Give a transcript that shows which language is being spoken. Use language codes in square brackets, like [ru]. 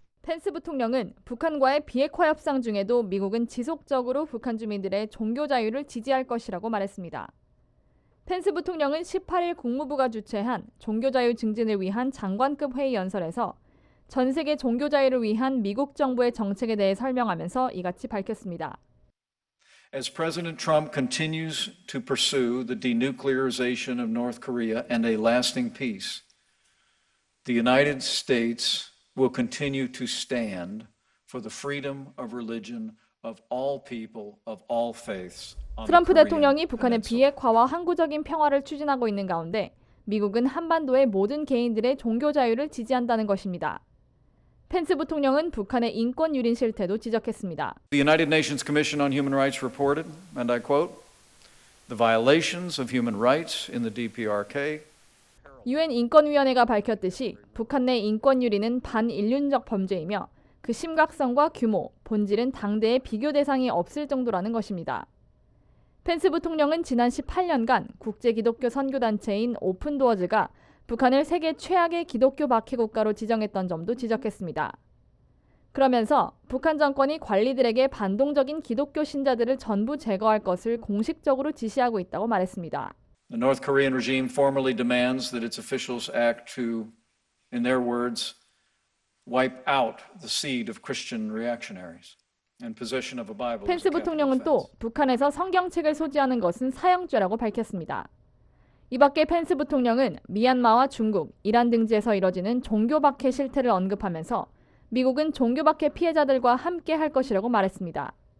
[ko] 펜스 부통령은 북한과의 비핵화 협상 중에도 미국은 지속적으로 북한 주민들의 종교 자유를 지지할 것이라고 말했습니다. 펜스 부통령은 18일 국무부가 주최한 종교 자유 증진을 위한 장관급 회의 연설에서 전 세계 종교 자유를 위한 미국 정부의 정책에 대해 설명하면서 이같이 밝혔습니다. [en] As President Trump continues to pursue the denuclearization of North Korea and a lasting peace, the United States will continue to stand for the freedom of religion of all people of all faiths. [ko] 트럼프 대통령이 북한의 비핵화와 항구적인 평화를 추진하고 있는 가운데 미국은 한반도의 모든 개인들의 종교 자유를 지지한다는 것입니다. 펜스 부통령은 북한의 인권 유린 실태도 지적했습니다. [en] The United Nations Commission on Human Rights reported, and I quote, "The violations of human rights in the DPRK." [ko] 유엔 인권위원회가 밝혔듯이 북한 내 인권 유린은 반인륜적 범죄이며 그 심각성과 규모, 본질은 당대에 비교 대상이 없을 정도라는 것입니다. 펜스 부통령은 지난 18년간 국제 기독교 선교 단체인 오픈도어즈가 북한을 세계 최악의 기독교 박해 국가로 지정했던 점도 지적했습니다. 그러면서 북한 정권이 관리들에게 반동적인 기독교 신자들을 전부 제거할 것을 공식적으로 지시하고 있다고 말했습니다. [en] The North Korean regime formally demands that its officials act to, in their words, wipe out the seed of Christian reactionaries and possession of a Bible. [ko] 펜스 부통령은 또 북한에서 성경책을 소지하는 것은 사형죄라고 밝혔습니다. 이 밖에 펜스 부통령은 미얀마와 중국, 이란 등지에서 이뤄지는 종교 박해 실태를 언급하면서 미국은 종교 박해 피해자들과 함께 할 것이라고 말했습니다.